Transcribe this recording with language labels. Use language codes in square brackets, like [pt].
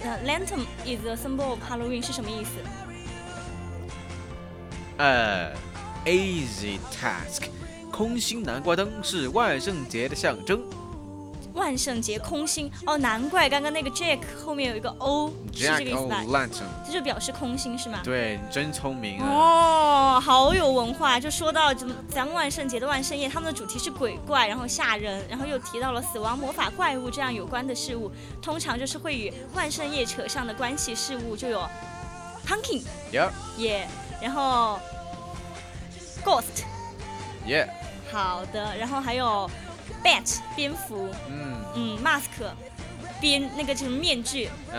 [en] Lantern is the symbol of Halloween [zh] 是什么意思？ [en] Easy task， [zh] 空心南瓜灯是万圣节的象征。万圣节空心，哦，难怪刚刚那个 Jack 后面有一个 O， [en] Jack [zh] 是这个意思吧 [en] ？Lantern， [zh] 这就表示空心是吗？对，真聪明啊！哦，好有文化。就说到咱们万圣节的万圣夜，他们的主题是鬼怪，然后吓人，然后又提到了死亡、魔法、怪物这样有关的事物，通常就是会与万圣夜扯上的关系事物，就有 Pumpkin， [en] Yeah， Yeah， 然后 Ghost， Yeah， [zh] 好的，然后还有。 Bat 蝙蝠，Mask 蝙那个就是面具，